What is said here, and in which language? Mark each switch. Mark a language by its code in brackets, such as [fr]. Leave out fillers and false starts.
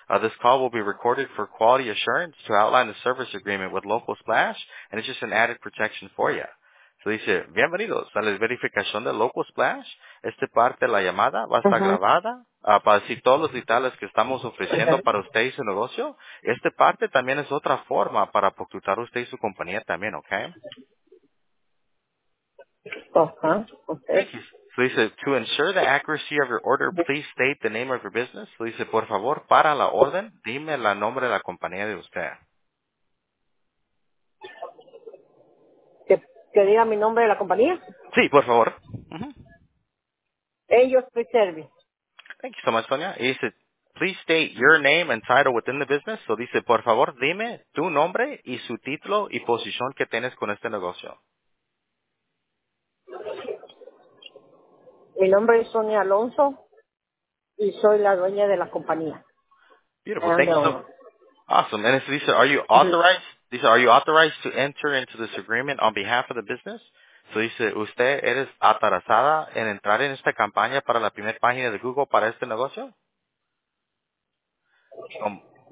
[en] This call will be recorded for quality assurance to outline the service agreement with Local Splash, and it's just an added protection for you. [es] So dice, bienvenidos a la verificación de Local Splash. Esta parte de la llamada va a estar grabada para decir todos los detalles que estamos ofreciendo para usted y su negocio. Esta parte también es otra forma para reclutar usted y su compañía también, ¿ok? Uh-huh. [en] Okay. So [es] dice, [en] to ensure the accuracy of your order, please state the name of your business. [es] So dice, por favor, para la orden, dime el nombre de la compañía de usted. ¿Que diga mi nombre de la compañía? Sí, por favor. Uh-huh. Ellos Preservi. [en] Thank you so much, Sonia. [es] Y dice, [en] please state your name and title within the business. [es] So dice, por favor, dime tu nombre y su título y posición que tienes con este negocio. Mi nombre es Sonia Alonso y soy la dueña de la compañía. [en] Beautiful. Thank you. Awesome. And [es] dice, [en] are you authorized? Mm-hmm. [es] Dice, [en] are you authorized to enter into this agreement on behalf of the business? [es] So dice, ¿usted eres autorizada en entrar en esta campaña para la primera página de Google para este negocio? ¿Cómo?